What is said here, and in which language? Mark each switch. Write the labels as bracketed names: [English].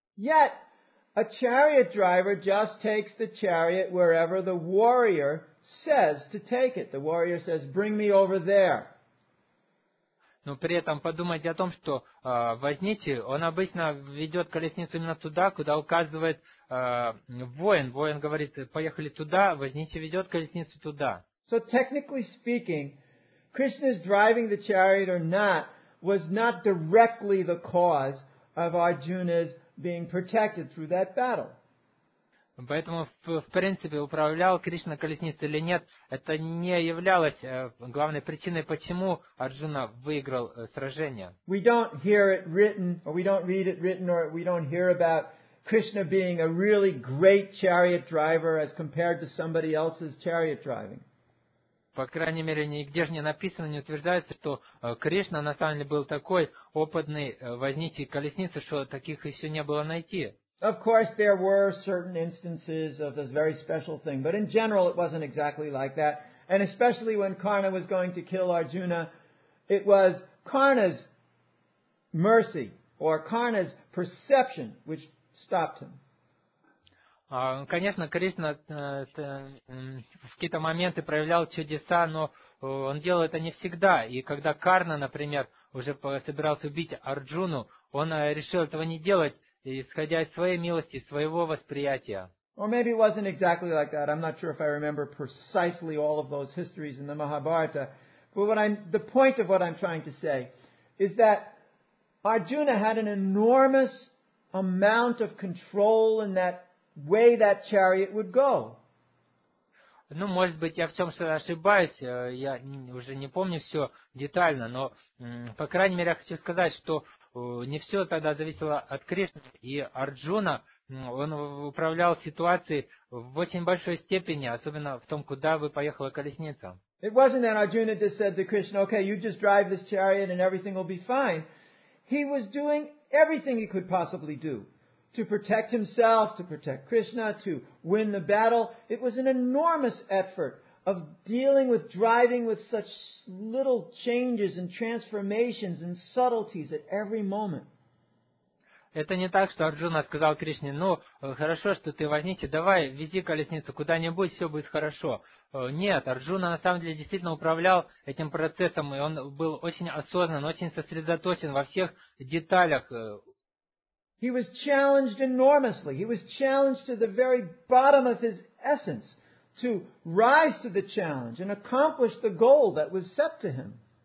[English] Yet, a chariot driver just takes the chariot wherever the warrior says to take it. The warrior says, bring me over there. [Russian] Но при этом подумайте о том, что возничий, он обычно ведет колесницу именно туда, куда указывает воин. Воин говорит, поехали туда, возничий ведет колесницу туда. [English] So, technically speaking, Krishna's driving the chariot or not was not directly the cause of Arjuna's being protected through that battle. [Russian] Поэтому, в принципе, управлял Кришна колесницей или нет, это не являлось главной причиной, почему Арджуна выиграл сражение. [English] We don't hear it written, or we don't read it written, or we don't hear about Krishna being a really great chariot driver as compared to somebody else's chariot driving. [Russian] По крайней мере, нигде же не написано, не утверждается, что Кришна на самом деле был такой опытный возничий колесницы, что таких еще не было найти. [English] Of course, there were certain instances of this very special thing, but in general, it wasn't exactly like that. And especially when Karna was going to kill Arjuna, it was Karna's mercy or Karna's perception which stopped him. [Russian] Конечно, Кришна в какие-то моменты проявлял чудеса, но он делал это не всегда. И когда Карна, например, уже собирался убить Арджуну, он решил этого не делать, исходя из своей милости, своего восприятия. [English] Or maybe it wasn't exactly like that. I'm not sure if I remember precisely all of those histories in the Mahabharata. But the point of what I'm trying to say is that Arjuna had an enormous amount of control in that way that chariot would go. [Russian] Ну, может быть, я в чем-то ошибаюсь. Я уже не помню все детально, но по крайней мере я хочу сказать, что не все тогда зависело от Кришны, и Арджуна, он управлял ситуацией в очень большой степени, особенно в том, куда бы поехала колесница. [English] It wasn't that Arjuna just said to Krishna, okay, you just drive this chariot and everything will be fine. He was doing everything he could possibly do to protect himself, to protect Krishna, to win the battle. It was an enormous effort of dealing with driving with such little changes and transformations and subtleties at every moment. [Russian] Это не так, что Арджуна сказал Кришне, ну, хорошо, что ты возничий, давай, вези колесницу куда-нибудь, все будет хорошо. Нет, Арджуна на самом деле действительно управлял этим процессом, и он был очень осознан, очень сосредоточен во всех деталях. [English] He was challenged enormously. He was challenged to the very bottom of his essence to rise to the challenge and accomplish the goal that was set to him.